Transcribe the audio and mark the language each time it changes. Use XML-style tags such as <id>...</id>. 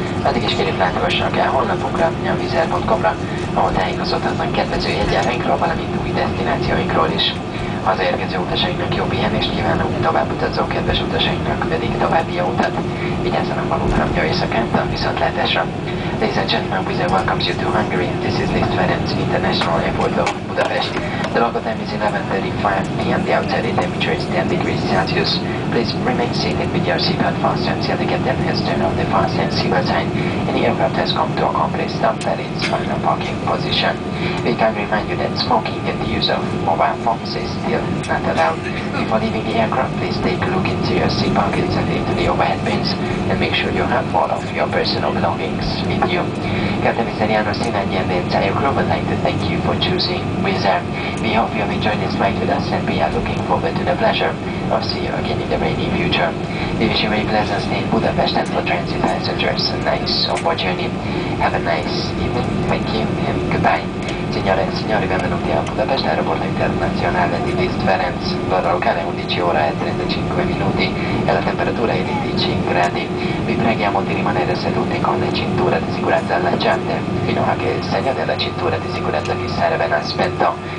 <hu>Addig is kérjük, látogassanak el honlapunkra, a vizer.com-ra, ahol tájékozódhatnak kedvező jegyelveinkről, valamint új destinációinkról is. Az érkező utasainknak jó pihenést kívánunk, tovább utazó kedves utasainknak pedig további jó utat. Vigyázzon a valóban, jó éjszakát, a viszontlátásra.</hu> <en>Ladies and gentlemen, please welcome you to Hungary. This is Liszt Ferenc International Airport of Budapest. The local time is 11:35 p.m. The outside temperature is 10 degrees Celsius. Please remain seated with your seatbelt fastened until the captain has turned on the fastened seatbelt sign. Any aircraft has come to a complete stop at its final parking position. We can remind you that smoking and the use of mobile phones is still not allowed. Before leaving the aircraft, please take a look into your seat pockets and into the overhead bins and make sure you have all of your personal belongings with you. Captain Mr. Janos Sinagy and the entire crew would like to thank you for choosing Wizz Air. We hope you have enjoyed this flight with us and we are looking forward to the pleasure of seeing you again in the rainy future. We wish you a very pleasant stay in Budapest and for transit passengers a nice onboard journey. Have a nice evening. Thank you and goodbye.</en> <it>Signore e signori, benvenuti a Budapest Aeroporto Internazionale di Liszt Ferenc. L'ora locale è 11 ore e 35 minuti e la temperatura è di 10 gradi. Vi preghiamo di rimanere seduti con le cinture di sicurezza allacciate, fino a che il segno della cintura di sicurezza vi sarà ben aspetto.</it>